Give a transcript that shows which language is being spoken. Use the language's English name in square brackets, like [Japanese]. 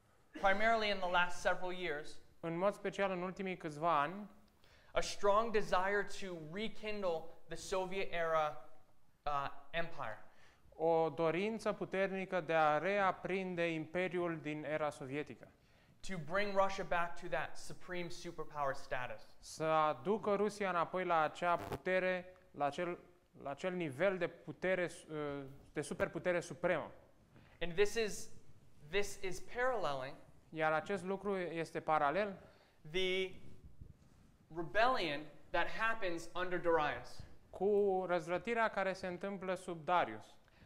[English] primarily in the last several years, [Romanian] în mod special în ultimii câțiva ani, [English] a strong desire to rekindle the Soviet era empire. [Romanian] O dorință puternică de a reaprinde imperiul din era sovietică. [English] To bring Russia back to that supreme superpower status. [Romanian] Să aducă Rusia înapoi la acea putere, la acel nivel de putere, de superputere supremă. [English] And this is paralleling. [Romanian] Iar acest lucru este paralel [English] the rebellion that happens under Darius. [Romanian] Cu răzvrătirea care se întâmplă sub Darius.